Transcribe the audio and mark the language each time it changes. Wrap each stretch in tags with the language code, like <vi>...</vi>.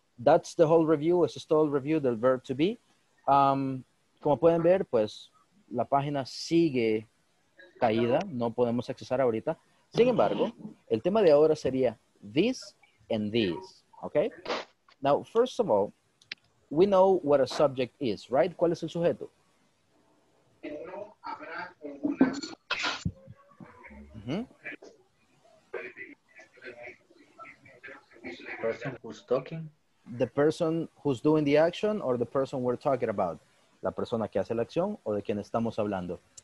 <en>That's the whole review, it's just the whole review del verb to be.</en> <es>Como pueden ver, pues, la página sigue caída, no podemos accesar ahorita. Sin embargo, el tema de ahora sería</es> <en>this and these, okay? Now, first of all, we know what a subject is, right?</en> <es>¿Cuál es el sujeto? Mm-hmm.</es> <en>Person who's talking. The person who's doing the action or the person we're talking about.</en> <es>La persona que hace la acción o de quien estamos hablando.</es>